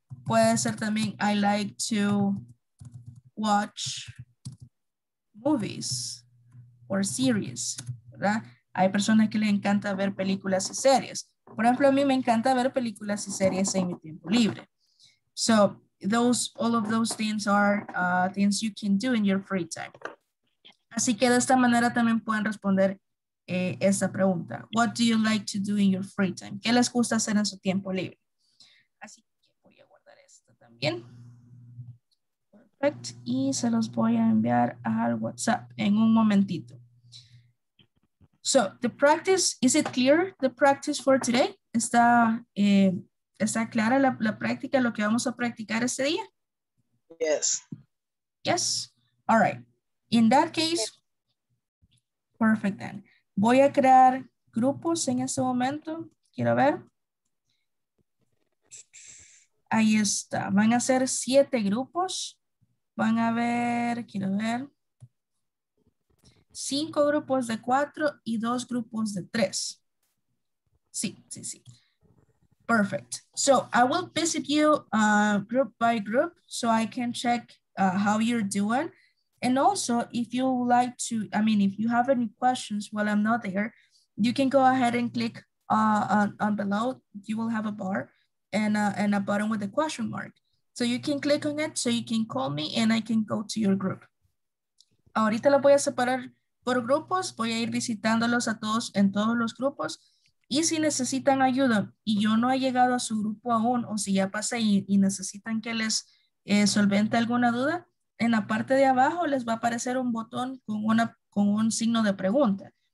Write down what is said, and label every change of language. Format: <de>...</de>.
<es>Puede ser también,</es> <en>I like to watch movies or series,</en> <es>¿verdad? Hay personas que les encanta ver películas y series. Por ejemplo, a mí me encanta ver películas y series en mi tiempo libre.</es> <en>So, those, all of those things are things you can do in your free time.</en> <es>Así que de esta manera también pueden responder esa pregunta.</es> <en>What do you like to do in your free time?</en> <es>¿Qué les gusta hacer en su tiempo libre? Así que bien, perfecto, y se los voy a enviar al WhatsApp en un momentito.</es> <en>So, the practice, is it clear, the practice for today?</en> <es>¿Está, está clara la práctica, lo que vamos a practicar este día?</es> <en>Yes. Yes, all right. In that case, perfect then.</en> <es>Voy a crear grupos en este momento, quiero ver. Ahí está. Van a ser 7 grupos. Van a ver, quiero ver. 5 grupos de 4 y 2 grupos de 3. Sí, sí, sí. Perfect.</es> <en>So I will visit you group by group so I can check how you're doing. And also, if you like to, I mean, if you have any questions while I'm not there, you can go ahead and click on below. You will have a bar and a button with a question mark. So you can click on it so you can call me and I can go to your group.</en> <es>Ahorita lo voy a separar por grupos. Voy a ir visitándolos a todos en todos los grupos. Y si necesitan ayuda y yo no he llegado a su grupo aún, o si ya pasé y necesitan que les solvente alguna duda, en la parte de abajo les va a aparecer un botón con un signo de pregunta.</es>